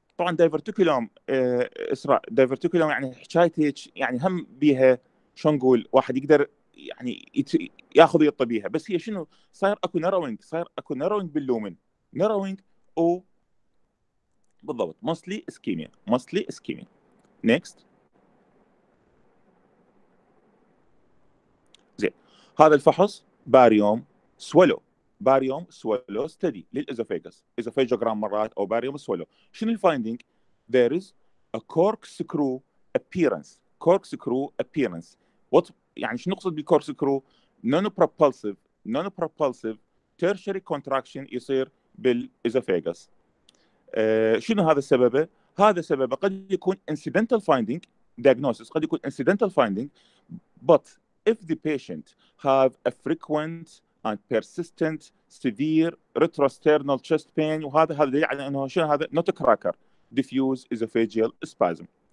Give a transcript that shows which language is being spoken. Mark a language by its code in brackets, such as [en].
[ar] طبعا دايفرتيكولوم اسرع دايفرتيكولوم يعني حكايتي يعني هم بيها شو نقول واحد يقدر يعني ياخذ يطبيها، بس هي شنو صاير اكو ناروينج، صاير اكو ناروينج باللومن، ناروينج او بالضبط موستلي اسكيميا، موستلي اسكيميا. نيكست. زين هذا الفحص باريوم سولو، باريوم سولو ستدي للإزوفيجس، إزوفيجوغرام مرات أو باريوم سولو. شنو الفايندينج؟ [en] There is a corkscrew appearance. Corkscrew appearance. What [ar] يعني شنو نقصد بالcorkscrew؟ [en] Non-propulsive, non-propulsive tertiary contraction [ar] يصير بالإزوفيجس. شنو هذا السبب؟ هذا سبب قد يكون [en] incidental finding diagnosis، [ar] قد يكون incidental finding. [en] But if the patient have a frequent and persistent severe retrosternal chest pain، [ar] وهذا هذا يعني انه شنو هذا [en] Nut cracker diffuse oesophageal spasm.